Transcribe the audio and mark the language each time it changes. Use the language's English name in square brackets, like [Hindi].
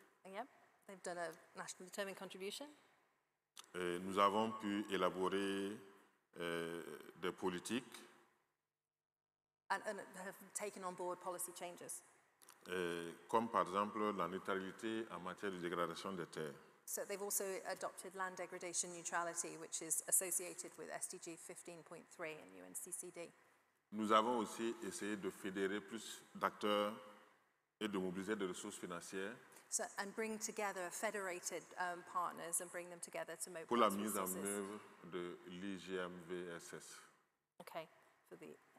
[English] Yep, they've done a national determined contribution. [French] Et nous avons pu élaborer des politiques. [English] And have taken on board policy changes. [French] Comme par exemple la neutralité en matière de dégradation des terres. [English] So they've also adopted land degradation neutrality, which is associated with SDG 15.3 and UNCCD. [French] Nous avons aussi essayé de fédérer plus d'acteurs et de mobiliser des ressources financières pour la mise en œuvre de l'IGMVSS. [English] Okay. For the,